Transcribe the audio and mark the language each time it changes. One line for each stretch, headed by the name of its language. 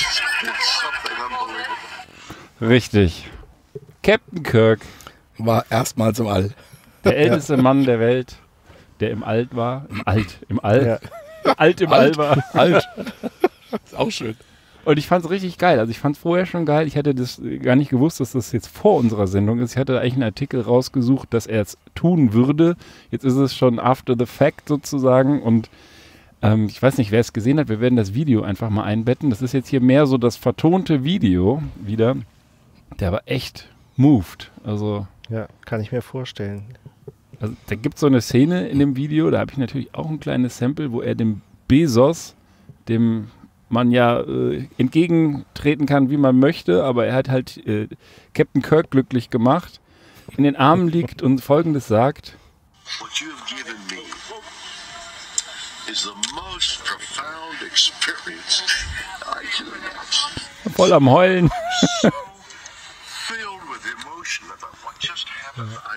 English: is something unbelievable.
German: Richtig. Captain Kirk. War erstmals im All. Der älteste Mann der Welt, der im All war. Im Alt, im All. Ja. Alt im All war. Alt. Ist auch schön. Und ich fand es richtig geil. Also ich fand es vorher schon geil. Ich hatte das gar nicht gewusst, dass das jetzt vor unserer Sendung ist. Ich hatte da eigentlich einen Artikel rausgesucht, dass er es tun würde. Jetzt ist es schon
English: after the fact
German: sozusagen. Und ich weiß nicht, wer es gesehen hat. Wir werden das Video einfach mal einbetten. Das ist jetzt hier mehr so das vertonte Video wieder. Der war echt moved. Also ja, kann ich mir vorstellen. Also da gibt es so eine Szene in dem Video. Da habe ich natürlich auch ein kleines Sample, wo er dem Bezos, dem man ja entgegentreten kann, wie man möchte, aber er hat halt Captain Kirk glücklich gemacht, in den Armen liegt und Folgendes sagt.
English: What you have given me is the most profound experience I can imagine.
German: Voll am Heulen.
English: Filled with emotion about what just happened.